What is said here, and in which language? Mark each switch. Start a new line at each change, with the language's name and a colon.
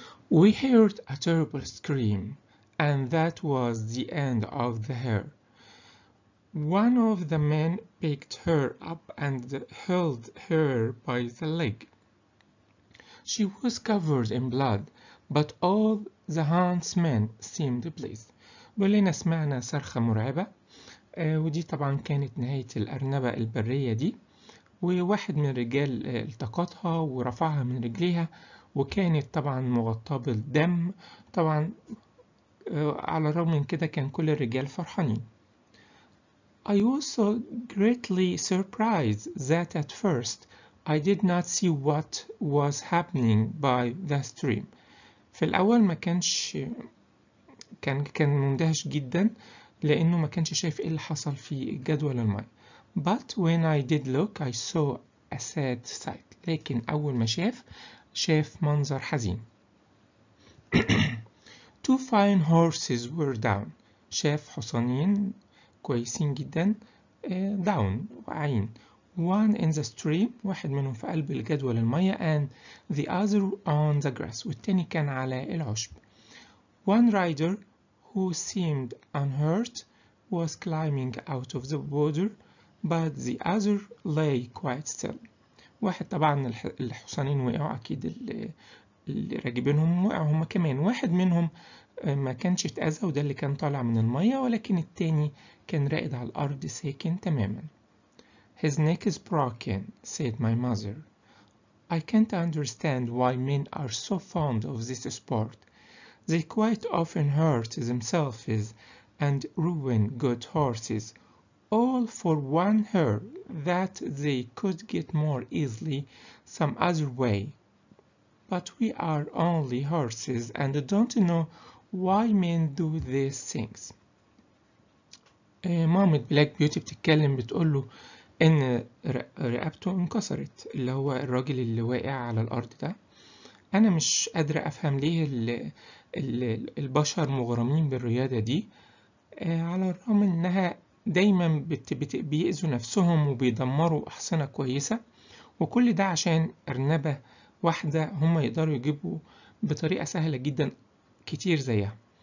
English: We heard a terrible scream, and that was the end of the hare. One of the men picked her up and held her by the leg. She was covered in blood, but all the huntsmen seemed pleased.
Arabic: بلينا سمعنا صرخة مرعبة، ودي طبعا كانت نهاية الأرنبة البرية دي، وواحد من الرجال التقطها ورفعها من رجليها، وكانت طبعا مغطاة بالدم. طبعا على الرغم من كده كان كل الرجال فرحانين.
English: I was so greatly surprised that at first I did not see what was happening by the stream.
Arabic: في الأول ما كانش كان مندهش جدا لأنه ما كانش شايف إيه اللي حصل في جدول الماء.
English: But when I did look I saw a sad sight.
Arabic: لكن أول ما شاف منظر حزين.
English: Two fine horses were down.
Arabic: شاف حصانين كويسين جدا
English: down
Arabic: وعين.
English: one in the stream،
Arabic: واحد منهم في قلب الجدول المية،
English: and the other on the grass،
Arabic: والتاني كان على العشب.
English: One rider who seemed unhurt was climbing out of the water، but the other lay quite still.
Arabic: واحد طبعا الحصانين وقعوا، أكيد اللي راكبينهم وقعوا هما كمان. واحد منهم ما كانش اتأذى، وده اللي كان طالع من المية، ولكن التاني كان راقد على الأرض ساكن تماما.
English: His neck is broken, said my mother. I can't understand why men are so fond of this sport. They quite often hurt themselves and ruin good horses, all for one hair that they could get more easily some other way. But we are only horses and don't know why men do these things.
Arabic: مامة بلاك بيوتي بتتكلم، بتقوله إن رقبته انكسرت، اللي هو الراجل اللي واقع على الأرض ده. أنا مش قادرة أفهم ليه البشر مغرمين بالرياضة دي، على الرغم إنها دايماً بيأذوا نفسهم وبيدمروا أحصنة كويسة، وكل ده عشان أرنبة واحدة هما يقدروا يجيبوا بطريقة سهلة جداً كتير زيها.